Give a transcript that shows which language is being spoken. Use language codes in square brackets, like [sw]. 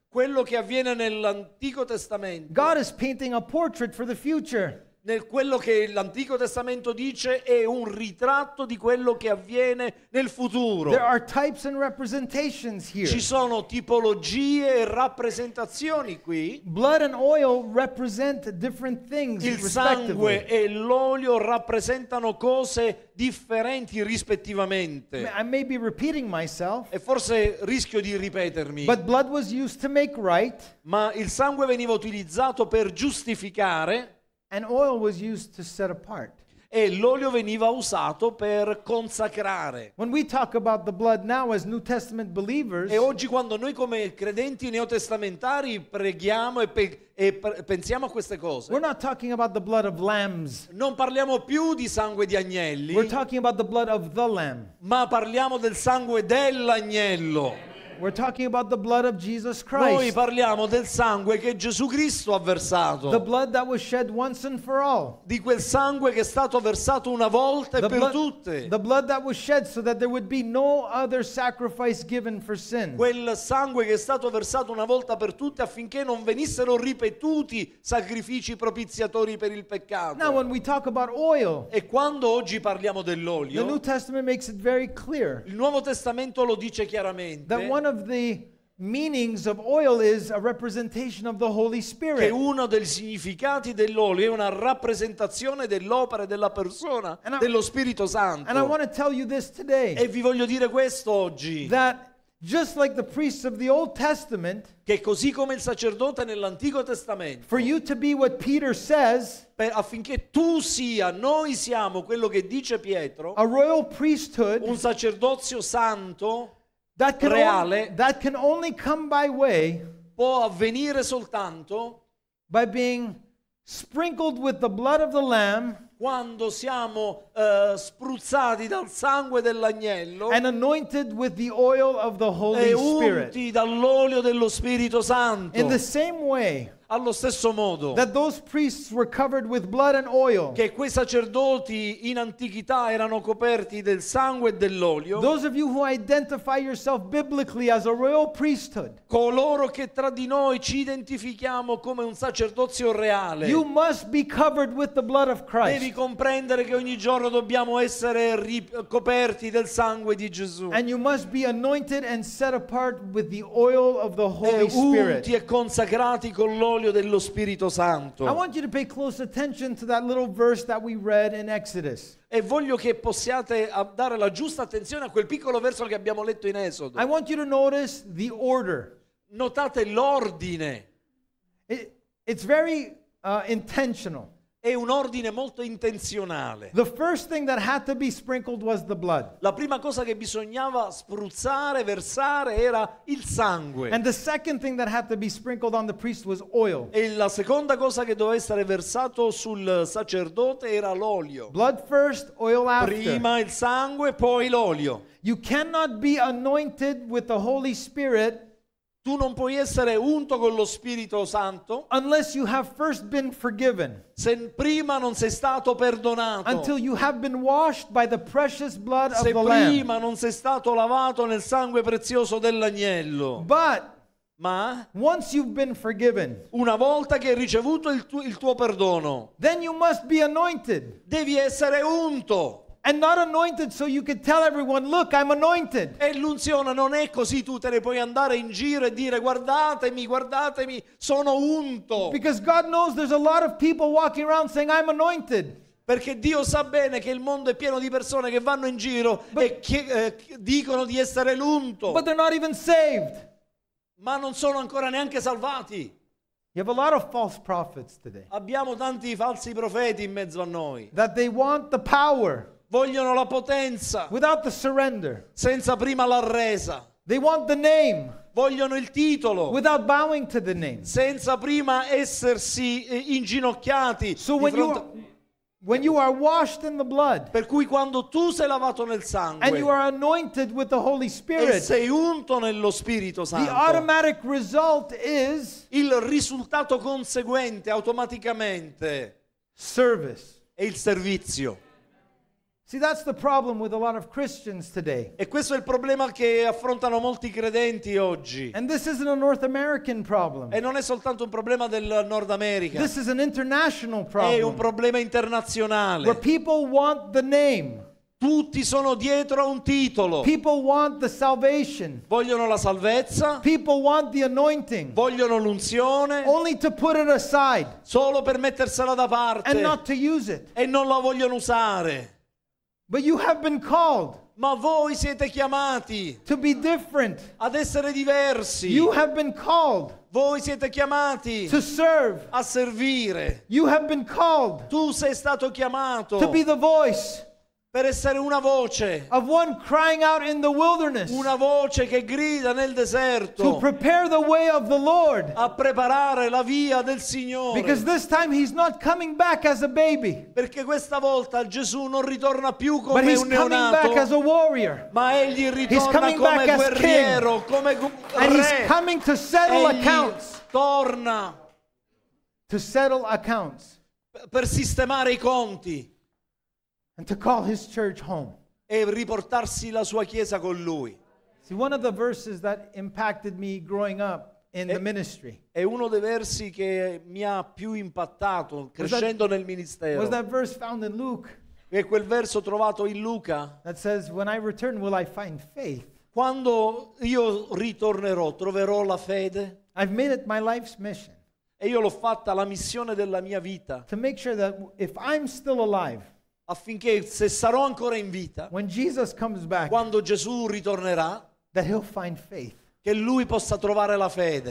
[it] quello che avviene nell'Antico Testamento, [en] God is painting a portrait for the future. [it] Nel quello che l'Antico Testamento dice è un ritratto di quello che avviene nel futuro. [en] There are types and representations here. [it] Ci sono tipologie e rappresentazioni qui. [en] Blood and oil represent different things. [it] Il sangue e l'olio rappresentano cose differenti rispettivamente. [en] I may be repeating myself, [it] e forse rischio di ripetermi. [en] But blood was used to make right. [it] Ma il sangue veniva utilizzato per giustificare. [en] And oil was used to set apart. [it] E l'olio veniva usato per consacrare. [en] When we talk about the blood now as New Testament believers, [it] e oggi quando noi come credenti neotestamentari preghiamo e pensiamo a queste cose, [en] we're not talking about the blood of lambs. [it] Non parliamo più di sangue di agnelli. [en] We're talking about the blood of the lamb. [it] Ma parliamo del sangue dell'agnello. [en] We're talking about the blood of Jesus Christ. [it] Noi parliamo del sangue che Gesù Cristo ha versato. [en] The blood that was shed once and for all. [it] Di quel sangue che è stato versato una volta e per tutte. [en] The blood that was shed so that there would be no other sacrifice given for sin. [it] Quel sangue che è stato versato una volta per tutte affinché non venissero ripetuti sacrifici propiziatori per il peccato. [en] Now when we talk about oil. [it] E quando oggi parliamo dell'olio. [en] The New Testament makes it very clear. [it] Il Nuovo Testamento lo dice chiaramente. [en] One of the meanings of oil is a representation of the Holy Spirit. [it] Che uno dei significati dell'olio è una rappresentazione dell'opera della persona dello Spirito Santo. [en] And I want to tell you this today. [it] E vi voglio dire questo oggi. [en] That just like the priests of the Old Testament, [it] che così come il sacerdote nell'Antico Testamento, [en] for you to be what Peter says, [it] per affinché tu sia, noi siamo quello che dice Pietro, [en] a royal priesthood, [it] un sacerdozio santo. [en] That can, [it] reale, [en] that can only come by way [it] può avvenire soltanto [en] by being sprinkled with the blood of the lamb [it] quando siamo spruzzati dal sangue dell'agnello [en] and anointed with the oil of the Holy Spirit [it] e unti dall'olio dello Spirito Santo. [en] In the same way [it] allo stesso modo [en] that those priests were covered with blood and oil, [it] che quei sacerdoti in antichità erano coperti del sangue e dell'olio, [en] those of you who identify yourself biblically as a royal priesthood, [it] coloro che tra di noi ci identifichiamo come un sacerdozio reale, [en] you must be covered with the blood of Christ. [it] Devi comprendere che ogni giorno dobbiamo essere coperti del sangue di Gesù. [en] And you must be anointed and set apart with the oil of the Holy Spirit. [it] E consacrati con l'olio dello Spirito Santo. [en] I want you to pay close attention to that little verse that we read in Exodus. [it] E voglio che possiate dare la giusta attenzione a quel piccolo verso che abbiamo letto in Esodo. [en] I want you to notice the order. [it] Notate l'ordine. [en] It's very intentional. [it] È un ordine molto intenzionale. [en] The first thing that had to be sprinkled was the blood. [it] La prima cosa che bisognava spruzzare, versare era il sangue. [en] And the second thing that had to be sprinkled on the priest was oil. [it] E la seconda cosa che doveva essere versato sul sacerdote era l'olio. [en] Blood first, oil after. [it] Prima il sangue, poi l'olio. [en] You cannot be anointed with the Holy Spirit. [it] Tu non puoi essere unto con lo Spirito Santo [en] unless you have first been forgiven. [it] Se prima non sei stato perdonato. [en] Until you have been washed by the precious blood of the Lamb. [it] Se prima non sei stato lavato nel sangue prezioso dell'agnello. [en] But [it] ma [en] once you've been forgiven, [it] una volta che hai ricevuto il tuo perdono, [en] then you must be anointed. [it] Devi essere unto. [en] And not anointed so you could tell everyone, look, I'm anointed. [it] E l'unzione non è così tu te ne puoi andare in giro e dire guardatemi, sono unto. [en] Because God knows there's a lot of people walking around saying I'm anointed. [it] Perché Dio sa bene che il mondo è pieno di persone che vanno in giro e dicono di essere l'unto. [en] But they're not even saved. [it] Ma non sono ancora neanche salvati. [en] You have a lot of false prophets today. [it] Abbiamo tanti falsi profeti in mezzo a noi. [en] That they want the power. [it] Vogliono la potenza. [en] Without the surrender. [it] Senza prima l'arresa. [en] They want the name. [it] Vogliono il titolo. [en] Without bowing to the name. [it] Senza prima essersi inginocchiati. [en] So when you when you are washed in the blood, [it] per cui quando tu sei lavato nel sangue, [en] and you are anointed with the Holy Spirit, [it] e sei unto nello Spirito Santo, [en] the automatic result is [it] il risultato conseguente automaticamente [en] service [it] è il servizio. [en] See, that's the problem with a lot of Christians today. [it] E questo è il problema che affrontano molti credenti oggi. [en] And this isn't a North American problem. [it] E non è soltanto un problema del Nord America. [en] This is an international problem. [it] È un problema internazionale. [en] Where people want the name. [it] Tutti sono dietro a un titolo. [en] People want the salvation. [it] Vogliono la salvezza. [en] People want the anointing. [it] Vogliono l'unzione. [en] Only to put it aside. [it] Solo per mettersela da parte. [en] And not to use it. [it] E non la vogliono usare. [en] But you have been called. [it] Ma voi siete chiamati. [en] To be different. [it] Ad essere diversi. [en] You have been called. [it] Voi siete chiamati. [en] To serve. [it] A servire. [en] You have been called. [it] Tu sei stato chiamato. [en] To be the voice. [it] Per essere una voce. [en] Of one crying out in the wilderness. [it] Una voce che grida nel deserto. [en] To prepare the way of the Lord. [it] A preparare la via del Signore. [en] Because this time he's not coming back as a baby. [it] Perché questa volta Gesù non ritorna più come un neonato. [en] But he's coming back as a warrior. [it] Ma egli ritorna come guerriero, come re. [en] And he's coming to settle accounts. [it] Torna. [en] To settle accounts. [it] Per sistemare i conti. [en] And to call his church home. [it] E riportarsi la sua chiesa con lui. [en] See, one of the verses that impacted me growing up in the ministry. [it] È uno dei versi che mi ha più impattato crescendo nel ministero. [en] Was that verse found in Luke? [it] E quel verso trovato in Luca. [en] That says, "When I return, will I find faith?" [it] Quando io ritornerò, troverò la fede. [en] I've made it my life's mission. [it] E io l'ho fatta la missione della mia vita. [en] To make sure that if I'm still alive. [it] Affinché se sarò ancora in vita, [en] when Jesus comes back, [it] quando Gesù ritornerà, [en] that he'll find faith. [it] Che lui possa trovare la fede.